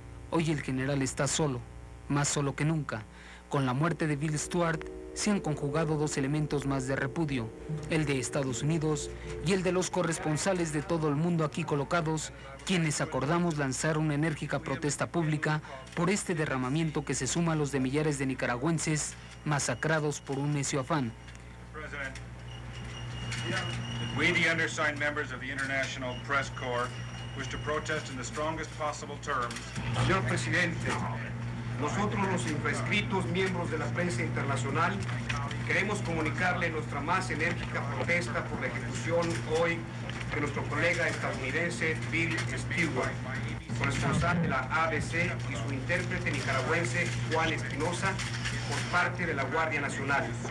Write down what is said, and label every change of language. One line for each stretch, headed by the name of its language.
Spanish: Hoy el general está solo, más solo que nunca. Con la muerte de Bill Stuart se han conjugado dos elementos más de repudio, el de Estados Unidos y el de los corresponsales de todo el mundo aquí colocados, quienes acordamos lanzar una enérgica protesta pública por este derramamiento que se suma a los de millares de nicaragüenses masacrados por un necio afán.
English: We, the undersigned members of the International Press Corps, wish to protest in the strongest possible terms.
Spanish: Señor presidente, nosotros los infraescritos miembros de la prensa internacional queremos comunicarle nuestra más enérgica protesta por la ejecución hoy de nuestro colega estadounidense Bill Stuart, corresponsal de la ABC y su intérprete nicaragüense Juan Espinosa por parte de la Guardia Nacional.